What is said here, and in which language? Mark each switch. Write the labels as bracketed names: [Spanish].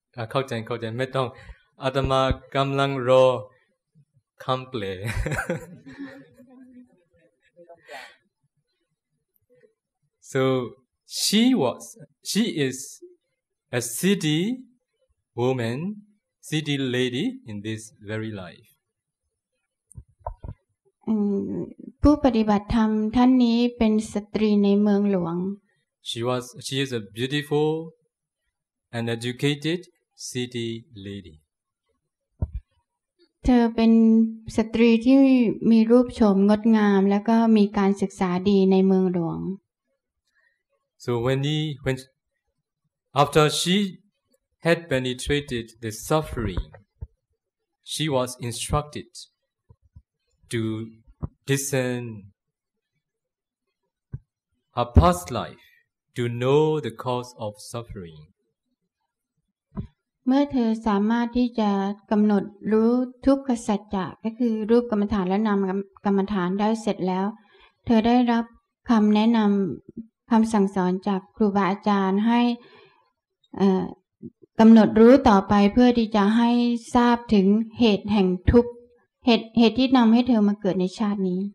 [Thai] เข้าใจไม่ต้องอาตมากำลังรอคำเปลย [English] So she is a city woman, city lady in this very life. [Thai] ผู้ปฏิบัติธรรมท่านนี้เป็นสตรีในเมืองหลวง [English] She is a beautiful and educated city lady. [Thai] เธอเป็นสตรีที่มีรูปโฉมงดงามแล้วก็มีการศึกษาดีในเมืองหลวง [English] So when after she had penetrated the suffering, she was instructed to discern her past life to know the cause of suffering. [Thai] เมื่อเธอสามารถที่จะกำหนดรู้ทุกขสัจจะก็คือรูปกรรมฐานและนามกรรมฐานได้เสร็จแล้วเธอได้รับคำแนะนำคำสั่งสอนจากครูบาอาจารย์ให้กำหนดรู้ต่อไปเพื่อที่จะให้ทราบถึงเหตุแห่งทุกข์เหตุที่นำให้เธอมาเกิดในชาตินี